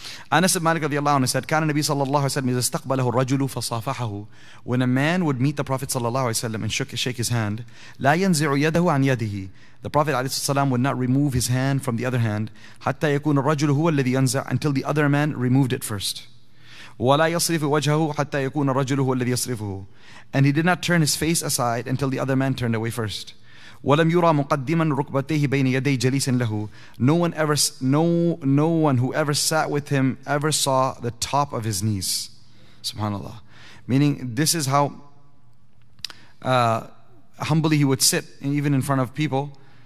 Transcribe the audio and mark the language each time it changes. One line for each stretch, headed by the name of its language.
English: Anas ibn Malik radiallahu anhu said,
Arabic: كان النبي صلى الله عليه وسلم إذا استقبله الرجل فصافحه.
English: When a man would meet the Prophet صلى الله عليه وسلم and shake his hand,
Arabic: لا ينزع يده عن يده.
English: The Prophet عليه السلام would not remove his hand from the other hand,
Arabic: حتى يكون الرجل هو الذي ينزع,
English: until the other man removed it first.
Arabic: ولا يصرف وجهه حتى يكون الرجل هو الذي يصرفه.
English: And he did not turn his face aside until the other man turned away first.
Arabic: وَلَمْ يُرَى مُقَدِّمًا رُكْبَتَيْهِ بَيْنِ يَدَيْ جَلِيسٍ لَهُ.
English: No one who ever sat with him ever saw the top of his knees. Subhanallah. Meaning, this is how humbly he would sit, even in front of people.